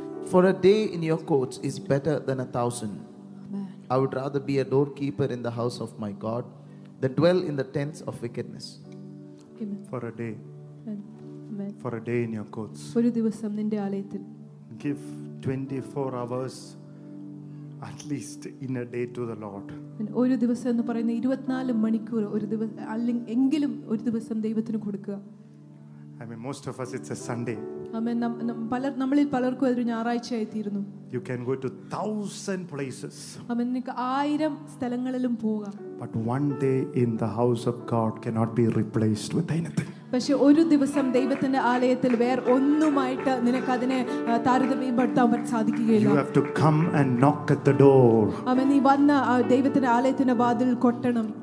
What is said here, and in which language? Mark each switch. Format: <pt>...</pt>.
<en>For a day in your courts is better than 1,000. Amen. I would rather be a doorkeeper in the house of my God than dwell in the tents of wickedness. Amen. For a day. Amen. For a day in your courts.</en> <ml>Oru divasam ninde aalayathil.</ml> <en>Give 24 hours at least in a day to the Lord.</en> <ml>ഒരു ദിവസം എന്ന് പറയുന്നത് 24 മണിക്കൂർ ഒരു ദിവസം അല്ലെങ്കിൽ എങ്കിലും ഒരു ദിവസം ദൈവത്തിന് കൊടുക്കുക.</ml> <en>I mean most of us it's a Sunday. Amen.</en> <ml>നമ്മളിൽ പലർക്കും അതൊരു ഞായറാഴ്ച ആയി തീരുന്നു.</ml> <en>You can go to 1,000 places.</en> <ml>Amen. നിങ്ങൾക്ക് 1,000 സ്ഥലങ്ങളിലും പോകാം.</ml> <en>But one day in the house of God cannot be replaced with anything.</en> <ml>പക്ഷേ ഒരു ദിവസം ദൈവത്തിന്റെ ആലയത്തിൽ വേറെ ഒന്നുമായിട്ട് നിനക്ക് അതിനെ താരതമ്യപ്പെടുത്താൻ സാധിക്കുകയില്ല.</ml> <en>You have to come and knock at the door.</en> <ml>അമ്മേ നീ വന്ന് ദൈവത്തിന്റെ ആലയത്തിന്റെ വാതിൽ കൊട്ടണം.</ml>